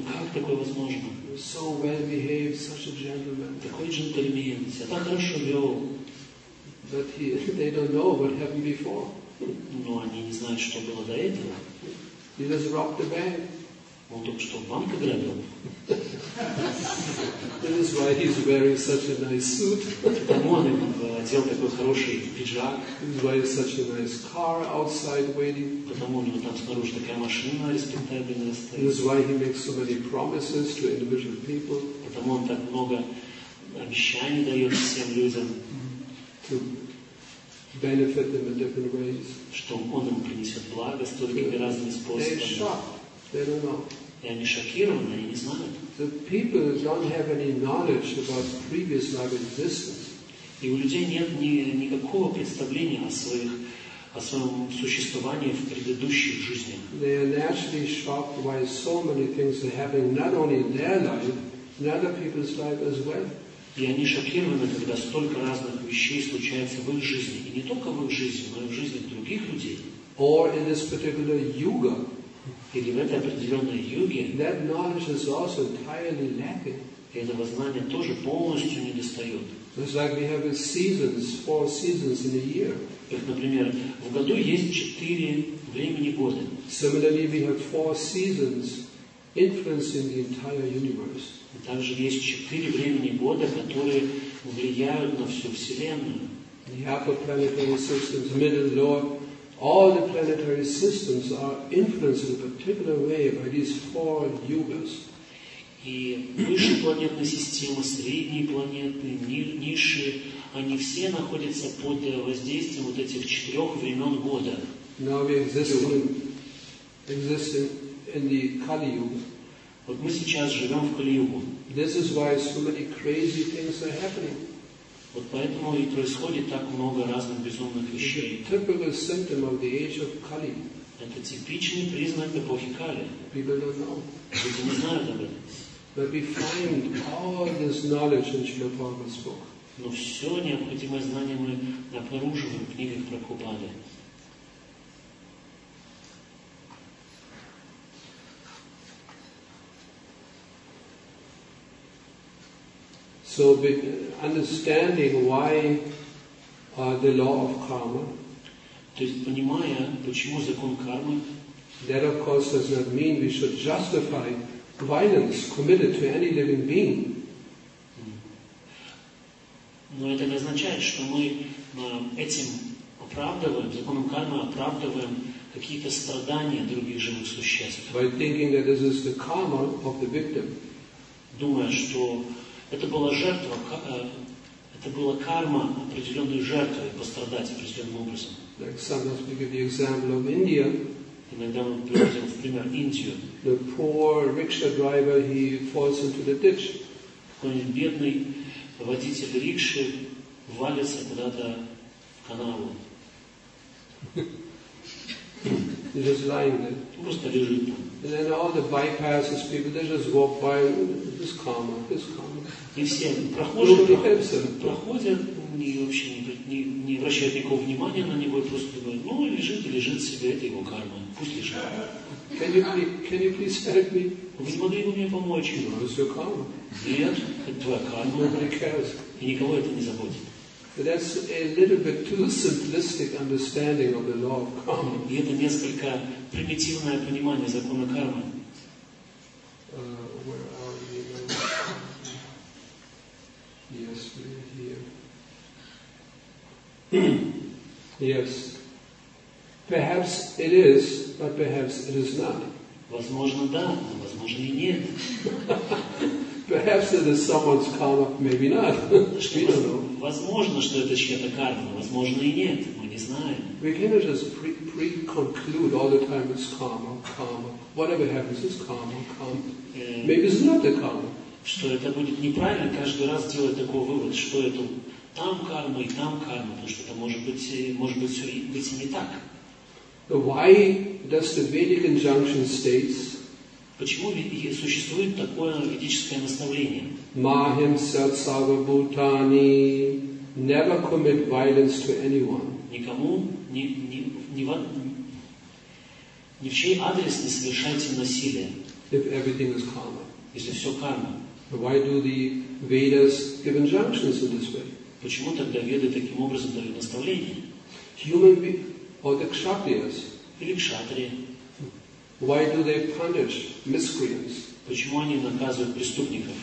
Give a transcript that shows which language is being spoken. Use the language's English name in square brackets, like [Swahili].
[Russian] Как такое возможно? [English] So well behaved, such a gentleman. [Russian] Такой джентльмен. Себя так хорошо вел. [English] But they don't know what happened before. [Russian] Но они не знают, что было до этого. [English] He just robbed the bank. [Russian] Он только что в банк ограбил. [English] That is why he's wearing such a nice suit. [Russian] Потому он одел такой хороший пиджак. [English] That is why he's such a nice car outside waiting. [Russian] Потому у него там снаружи такая машина респектабельная стоит. [English] That is why he makes so many promises to individual people. [Russian] Потому он так много обещаний дает всем людям. [English] To benefit them in different ways. [Russian] Что он им принесет благо столькими разными способами. [English] They don't know. [Russian] И они шокированы, они не знают. [English] The people don't have any knowledge about previous life existence. [Russian] И у людей нет никакого представления о своем существовании в предыдущих жизнях. [English] They are naturally shocked by so many things that happen not only in their life, in other people's life as well. [Russian] И они шокированы, когда столько разных вещей случается в их жизни, и не только в их жизни, но и в жизни других людей. [English] Or in this particular yuga. [Russian] Или в этой определенной юге. [English] That knowledge is also entirely lacking. [Russian] И этого знания тоже полностью недостает. [English] It's like we have seasons, four seasons in a year. [Russian] Как, например, в году есть четыре времени года. [English] Similarly, we have four seasons influencing the entire universe. [Russian] И также есть четыре времени года, которые влияют на всю Вселенную. [English] The upper planetary systems, middle and lower. All the planetary systems are influenced in a particular way by these four yugas. [Russian] И высшие планетные системы, средние планеты, низшие, они все находятся под воздействием вот этих четырех времен года. [English] Now we exist in the Kali Yuga. [Russian] Вот мы сейчас живем в Кали-Югу. [English] This is why so many crazy things are happening. [Russian] Вот поэтому и происходит так много разных безумных вещей. [English] Typical symptom of the age of Kali. [Russian] Это типичный признак эпохи Кали. [English] People don't know. [Russian] Люди не знают об этом. [English] But we find all this knowledge in Srila Prabhupada's book. [Russian] Но все необходимое знание мы обнаруживаем в книгах Прабхупады. [English] So, understanding why the law of karma. [Russian] То есть понимая, почему закон кармы. [English] That of course does not mean we should justify violence committed to any living being. [Russian] Но это не означает, что мы этим оправдываем, законом кармы оправдываем какие-то страдания других живых существ. [English] By thinking that this is the karma of the victim. [Russian] Думая, что это была жертва, это была карма определенной жертвы, пострадать определенным образом. [English] Like sometimes we give the example of India. [Russian] Иногда мы приводим в пример Индию. [English] The poor rickshaw driver, he falls into the ditch. [Russian] Какой-нибудь бедный водитель рикши валится куда-то в канаву. [English] He's just lying there. [Russian] Просто лежит там. [English] And then all the bypasses people, they just walk by. This karma, this karma. [Russian] И все прохожие проходят, не вообще не обращают никакого внимания на него, просто говорят, ну лежит себе, это его карма, пусть лежит. [English] Can you please help me? [Russian] Вы не могли бы мне помочь? [English] No, it's your karma. [Russian] Нет, это твоя карма. [English] Nobody cares. [Russian] И никого это не заботит. [English] But that's a little bit too simplistic understanding of the law of karma. [Russian] И это несколько примитивное понимание закона кармы. [English] Where are we now? Yes, we're here. Yes. Perhaps it is, but perhaps it is not. [Russian] Возможно, да, но возможно и нет. [English] Perhaps it is someone's karma, maybe not. We don't know. [Russian] Возможно, что это чья-то карма, возможно и нет, мы не знаем. [English] We cannot just pre-conclude all the time it's karma, karma. Whatever happens is karma, karma. Maybe it's not the karma. [Russian] Что это будет неправильно каждый раз делать такой вывод, что это там карма и там карма, потому что это может быть все быть и не так. [English] Why does the Vedic injunction states? [Russian] Почему существует такое ведическое наставление? [Sanskrit] Mahim satsava bhutani, [English] never commit violence to anyone. [Russian] Никому, ни в чей адрес не совершайте насилие. [English] If everything is karma. [Russian] Если все карма. [English] Why do the Vedas give injunctions in this way? [Russian] Почему тогда Веды таким образом дают наставление? [English] Human beings, or the Kshatriyas. [Russian] Или Кшатрия. [English] Why do they punish miscreants? [Russian] Почему они наказывают преступников?